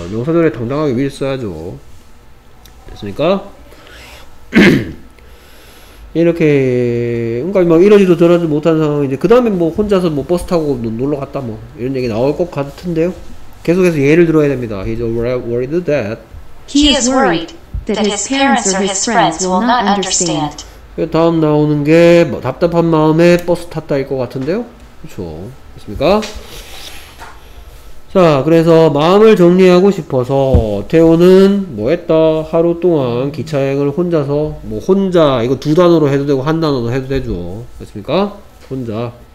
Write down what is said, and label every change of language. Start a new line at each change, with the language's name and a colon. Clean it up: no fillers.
Korean: 명사절에 당당하게 위를 써야죠. 됐습니까? 이렇게 그러니까 막 이러지도 저러지도 못한 상황인데 그 다음에 뭐 혼자서 뭐 버스 타고 놀러 갔다 뭐 이런 얘기 나올 것 같은데요. 계속해서 예를 들어야 됩니다.
English: He's worried that he is worried that his parents or his friends will not understand.
Korean: 그 다음 나오는 게 뭐 답답한 마음에 버스 탔다 일 것 같은데요. 그렇죠. 됐습니까? 자, 그래서 마음을 정리하고 싶어서 태호는 뭐 했다? 하루 동안 기차여행을 혼자서 뭐 혼자 이거 두 단어로 해도 되고 한 단어로 해도 되죠. 됐습니까? 혼자